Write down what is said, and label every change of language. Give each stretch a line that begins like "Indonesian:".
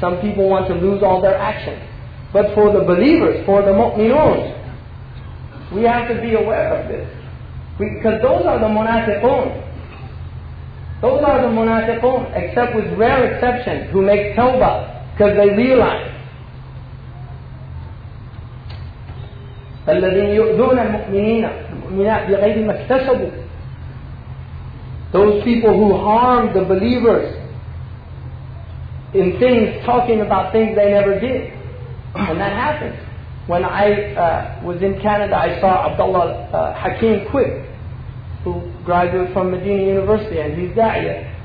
English: Some people want to lose all their action. But for the believers, for the مؤمنون, we have to be aware of this. Because those are the منافقون. Those are the منافقون, except with rare exceptions, who make tawbah because they realize.
Arabic: الذين يؤذون المؤمنين المؤمنات بغير ما اكتسبوا.
English: Those people who harm the believers in things, talking about things they never did. And that happened. When I was in Canada, I saw Abdullah Hakim Quick, who graduated from Medina University, and he's da'iyah.